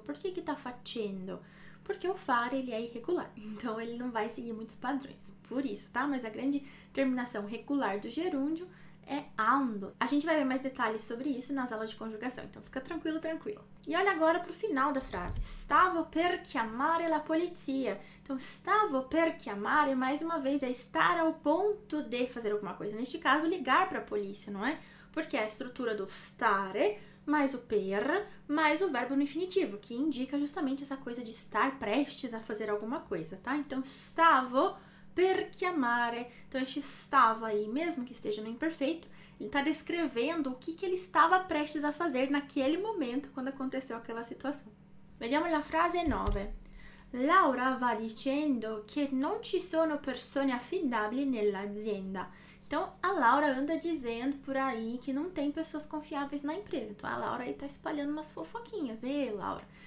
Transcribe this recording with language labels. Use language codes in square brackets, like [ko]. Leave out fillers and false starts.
[pt] Por que que tá facendo? Porque o fare, ele é irregular. Então, ele não vai seguir muitos padrões. Por isso, tá? Mas a grande terminação regular do gerúndio é ando. A gente vai ver mais detalhes sobre isso nas aulas de conjugação. Então, fica tranquilo, tranquilo. E olha agora pro final da frase. [it] Stavo per chiamare la polizia. [pt] Então, stavo per chiamare, mais uma vez, é estar ao ponto de fazer alguma coisa. Neste caso, ligar para a polícia, não é? Porque é a estrutura do stare, mais o per, mais o verbo no infinitivo, que indica justamente essa coisa de estar prestes a fazer alguma coisa, tá? [it] Então, stavo per chiamare. [pt] Então, este stavo aí, mesmo que esteja no imperfeito, ele está descrevendo o que que ele estava prestes a fazer naquele momento, quando aconteceu aquela situação. [it] Vediamo la frase 9. Laura va dicendo che non ci sono persone affidabili nell'azienda. [pt] Então, a Laura anda dizendo por aí que não tem pessoas confiáveis na empresa. Então, a Laura aí tá espalhando umas fofoquinhas. Ei, Laura.